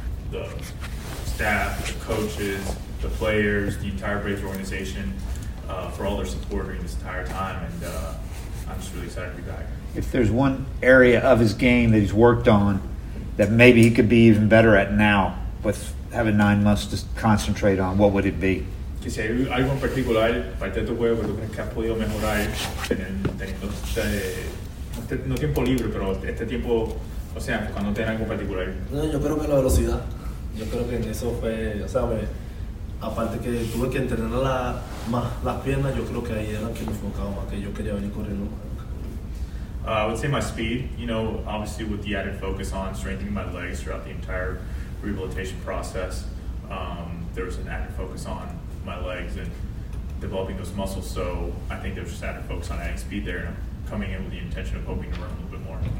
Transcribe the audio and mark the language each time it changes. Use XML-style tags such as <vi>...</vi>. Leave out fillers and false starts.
<en>the staff, the coaches, the players, the entire Braves organization for all their support during this entire time. And I'm just really excited to be back. If there's one area of his game that he's worked on that maybe he could be even better at now with having 9 months to concentrate on, what would it be?</en> <es>Que si hay algo en particular para este juego que ha podido mejorar teniendo este, no tiempo libre, pero este tiempo, o sea, cuando tiene algo particular. No, yo creo que la velocidad. Yo creo que en eso fue, o sea, me, aparte que tuve que entrenar la, más las piernas, yo creo que ahí era que me enfocaba más, que yo quería venir corriendo.</es> <en>I would say my speed, you know, obviously with the added focus on strengthening my legs throughout the entire rehabilitation process, there was an added focus on my legs and developing those muscles, so I think there's just added focus on adding speed there, and I'm coming in with the intention of hoping to run a little bit more.</en>